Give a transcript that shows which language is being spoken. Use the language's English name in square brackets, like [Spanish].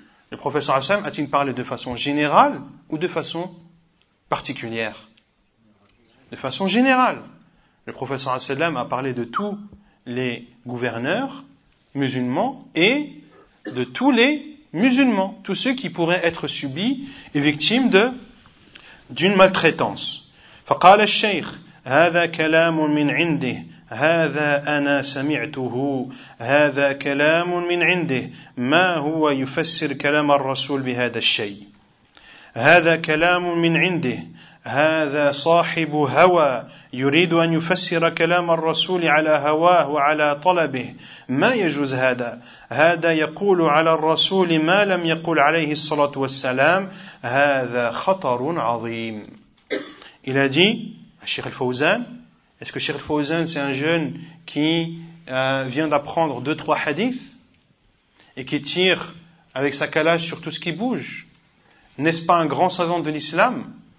[French] Le professeur Hassan a-t-il parlé de façon générale ou de façon particulière? De façon générale. Le professeur Hassan a parlé de tous les gouverneurs musulmans et de tous les musulmans, tous ceux qui pourraient être subis et victimes d'une maltraitance. [Arabic] فقال الشيخ هذا كلام من عنده هذا أنا سمعته هذا كلام من عنده ما هو يفسر كلام الرسول بهذا الشيء هذا كلام من عنده هذا صاحب هوى يريد أن يفسر كلام الرسول على هواه وعلى طلبه ما يجوز هذا هذا يقول على الرسول ما لم يقول عليه الصلاة والسلام هذا خطر عظيم. [French] Il a dit Cheikh al-Fawzan, est-ce que Cheikh al-Fawzan, c'est un jeune qui vient d'apprendre 2-3 hadiths et qui tire avec sa calage sur tout ce qui bouge? N'est-ce pas un grand savant de l'islam?